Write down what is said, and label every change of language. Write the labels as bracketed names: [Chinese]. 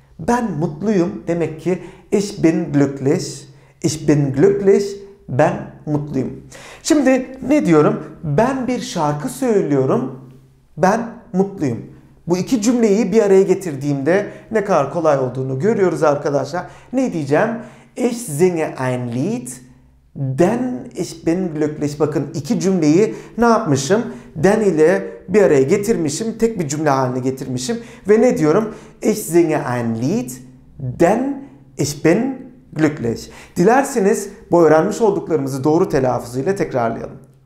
[Turkish] Ben mutluyum demek ki [German] ich bin glücklich. Ich bin glücklich, [Turkish] ben mutluyum. Şimdi ne diyorum? Ben bir şarkı söylüyorum, ben mutluyum. Bu iki cümleyi bir araya getirdiğimde ne kadar kolay olduğunu görüyoruz arkadaşlar. Ne diyeceğim? [German] Ich singe ein Lied, denn ich bin glücklich. [Turkish] Bakın iki cümleyi ne yapmışım? Den ile bir araya getirmişim, tek bir cümle haline getirmişim. Ve ne diyorum? [German] Ich singe ein Lied, denn ich bin glücklich. [Turkish] Dilerseniz bu öğrenmiş olduklarımızı doğru telaffuzuyla tekrarlayalım.